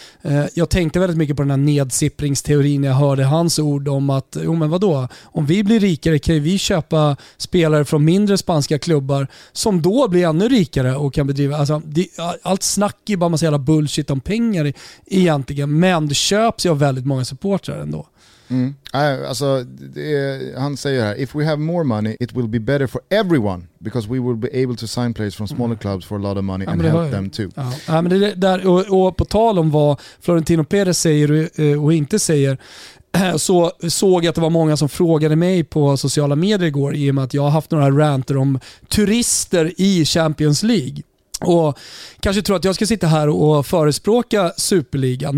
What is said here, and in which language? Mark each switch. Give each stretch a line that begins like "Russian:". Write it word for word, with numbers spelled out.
Swedish: Eh, jag tänkte väldigt mycket på den här nedsippringsteorin när jag hörde hans ord om att jo men vadå, om vi blir rikare kan vi köpa spelare från mindre spanska klubbar som då blir ännu rikare och kan bedriva, alltså, det, allt snack är bara massa jävla bullshit om pengar egentligen, men det köps ju av väldigt många supportrar ändå. Mm. Alltså, är, han säger här,
English: if we have more money it will be better for everyone because we will be able to sign players from smaller clubs for a lot of money and
Swedish: ja,
English: help them too.
Swedish: Ja. Ja, men det där, och, och på tal om vad Florentino Perez säger och inte säger, så såg jag att det var många som frågade mig på sociala medier igår i och med att jag har haft några ranter om turister i Champions League. Och kanske tror att jag ska sitta här och förespråka Superligan.